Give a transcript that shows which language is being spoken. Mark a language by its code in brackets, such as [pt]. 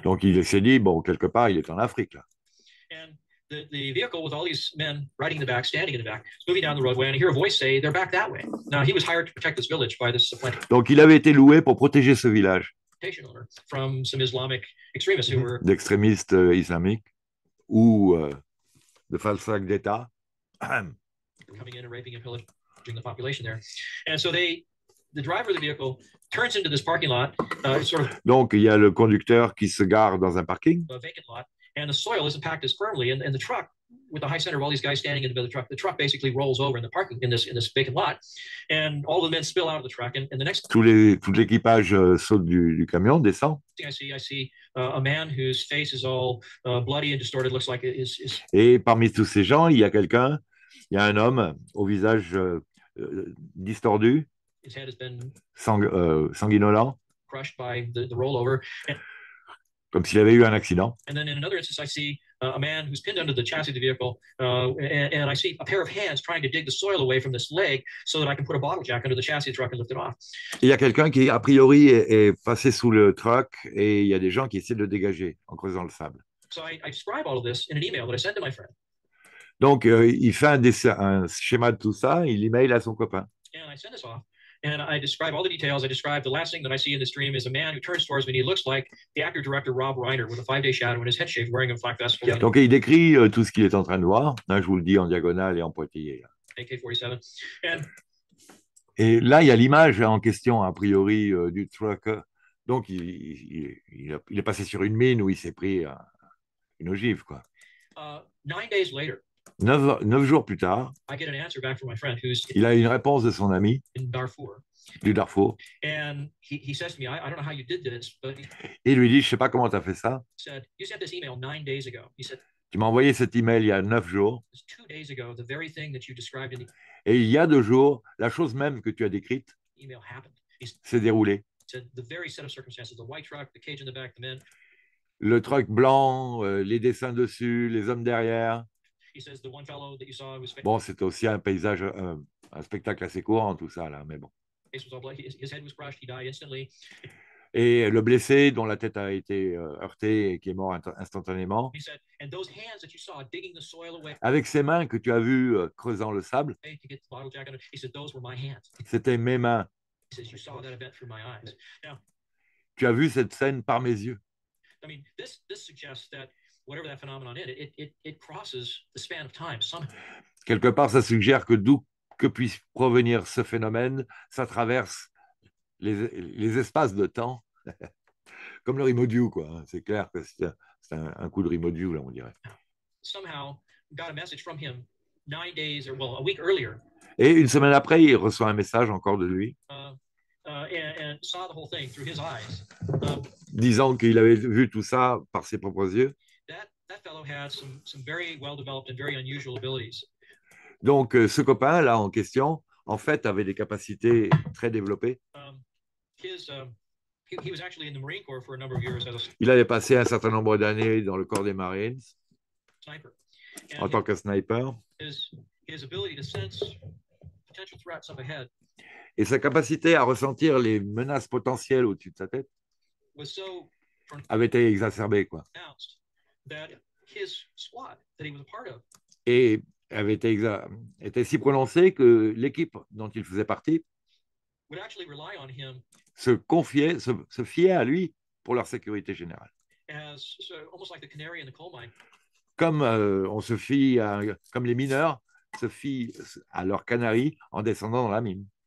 [fr] Donc, il s'est dit, bon, quelque part, il est en Afrique, là. [en] And the vehicle with all these men riding in the back, standing in the back, moving down the roadway, and I hear a voice say, they're back that way. Now, he was hired to protect this village by this supplanter. [fr] Donc, il avait été loué pour protéger ce village. [en] From some Islamic extremists who were... [fr] D'extrémistes islamiques ou de falsaques d'État. [en] Coming in and raping and pillaging the population there. And so they... The driver of the vehicle turns into this parking lot. [fr] Donc, il y a le conducteur qui se gare dans un parking. [en] A vacant lot, and the soil isn't packed as firmly, and the truck with the high center of all these guys standing in the middle of the truck. The truck basically rolls over in the parking in this vacant lot, and all the men spill out of the truck. And the next, [fr] tout l'équipage saute du camion, descend. [en] I see a man whose face is all bloody and distorted. Looks like it is. [fr] Et parmi tous ces gens, il y a quelqu'un. Il y a un homme au visage distordu, sanguinolent. [en] Crushed by the rollover. [fr] Comme s'il avait eu un accident. [en] And then in another instance, I see a man who's pinned under the chassis of the vehicle, and I see a pair of hands trying to dig the soil away from this leg so that I can put a bottle jack under the chassis of the truck and lift it off. [fr] Il y a quelqu'un qui, a priori, est passé sous le truck, et il y a des gens qui essaient de le dégager en creusant le sable. [en] So I describe all of this in an email that I send to my friend. [fr] Donc, il fait un schéma de tout ça, il l'email à son copain. [en] And I send this off. And I describe all the details. I describe the last thing that I see in this dream is a man who turns towards me and he looks like the actor-director Rob Reiner with a five-day shadow and his head shaved, wearing a black vest. [fr] Yeah, donc, il décrit tout ce qu'il est en train de voir. Là, je vous le dis en diagonale et en pointillé. [en] AK-47. [fr] Et là, il y a l'image en question, a priori, du truck. Donc, il est passé sur une mine où il s'est pris une ogive, quoi. [en] 9 days later. [fr] Neuf jours plus tard, [en] I get an answer back from my friend who's [fr] il a une réponse de son ami [en] in Darfur. [fr] Du Darfur. [en] And he says to me, I don't know how you did this, but [fr] il lui dit, je sais pas comment tu as fait ça. [en] Said, you sent this email 9 days ago. He said, [fr] tu m'as envoyé cet email il y a 9 jours. [en] It's 2 days ago, the very thing that you described in the... [fr] Et il y a 2 jours, la chose même que tu as décrite [en] email happened. [fr] S'est déroulée. [en] Said, the very set of circumstances, the white truck, the cage in the back, the men. [fr] Le truck blanc, les dessins dessus, les hommes derrière. [en] He says the one fellow that you saw was... [fr] Bon, c'est aussi un paysage, un spectacle assez courant, tout ça, là, mais bon. [en] His head was crushed, he died instantly. [fr] Et le blessé, dont la tête a été heurtée et qui est mort instantanément, [en] he said, and those hands that you saw digging the soil away, avec ses mains que tu as vues creusant le sable, to get the bottle jack under, he said, those were my hands. C'était mes mains. He says, you saw that event through my eyes. Now, [fr] tu as vu cette scène par mes yeux. [en] I mean, this suggests that whatever that phenomenon is, it crosses the span of time. [fr] Quelque part, ça suggère que d'où que puisse provenir ce phénomène, ça traverse les espaces de temps, comme le Rimodieu, quoi. C'est clair que c'est un coup de Rimodieu, là, on dirait. [en] Somehow, got a message from him 9 days, or well, a week earlier. [fr] Et une semaine après, il reçoit un message encore de lui. [en] And saw the whole thing through his eyes. [fr] Disant qu'il avait vu tout ça par ses propres yeux. [en] That fellow had some very well-developed and very unusual abilities. [fr] Donc, ce copain là en question, en fait, avait des capacités très développées. [en] He was actually in the Marine Corps for a number of years. [fr] Il avait passé un certain nombre d'années dans le corps des Marines. [en] Sniper. [fr] En tant que sniper. [en] His ability to sense potential threats up ahead. [fr] Et sa capacité à ressentir les menaces potentielles au-dessus de sa tête [en] was so [fr] avait été exacerbée, quoi. [en] That his squad that he was a part of. [fr] Et avait été si prononcé que l'équipe dont il faisait partie [en] would actually rely on him [fr] se confiait, se fiait à lui pour leur sécurité générale. [en] As, so, almost like the canary in the coal mine. [fr] Comme on se fie à, comme les mineurs se fient à leur canari en descendant dans la mine.